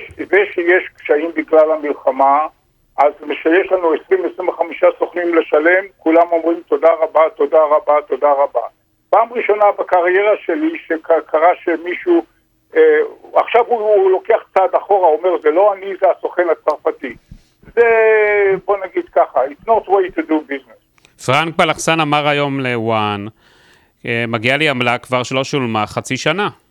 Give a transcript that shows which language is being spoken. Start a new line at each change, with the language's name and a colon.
Hebrew: ושיש קשיים בגלל המלחמה, אז כשיש לנו 20-25 סוכנים לשלם, כולם אומרים תודה רבה, תודה רבה, תודה רבה. פעם ראשונה בקריירה שלי שקרה שמישהו עכשיו הוא לוקח צעד אחורה, אומר, זה לא אני, זה הסוכן הצרפתי. זה, בוא נגיד ככה,
English: it's not way to do business.
Hebrew: פרנק בלחסן אמר היום לוואן, מגיע לי עמלה כבר שלא שולמה חצי שנה.